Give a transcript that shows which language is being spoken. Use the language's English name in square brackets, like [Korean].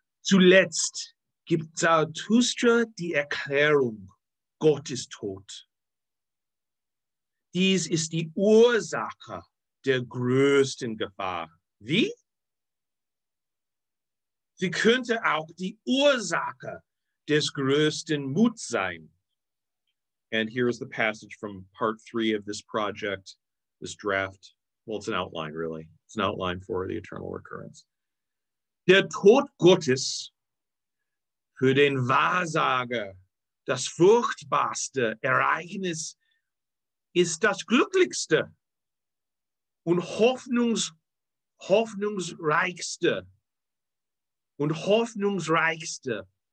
[German] Zuletzt gibt Zarathustra die Erklärung, Gott ist tot. Dies ist die Ursache der größten Gefahr. Wie? Sie könnte auch die Ursache des größten Muts sein. [English] And here is the passage from part three of this project, this draft. Well, it's an outline, really. It's an outline for The Eternal Recurrence. [German] Der Tod Gottes für den Wahrsager, das furchtbarste Ereignis, ist das glücklichste und hoffnungsreichste